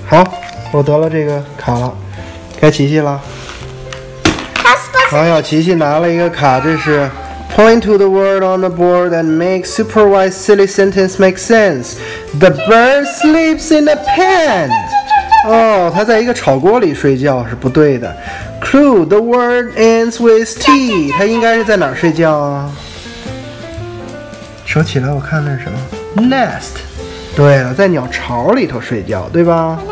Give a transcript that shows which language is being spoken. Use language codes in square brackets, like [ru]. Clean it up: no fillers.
[zh] 好，我得了这个卡了，该琪琪了。哎呀，琪琪拿了一个卡，这是。 [en] Point to the word on the board and make super wise silly sentence make sense. The bird sleeps in a pan. [zh] 哦，他在一个炒锅里睡觉是不对的。 [en] Clue: the word ends with T. [zh] 他应该是在哪儿睡觉啊？说起来，我看那是什么 ？Nest. 对了，在鸟巢里头睡觉，对吧？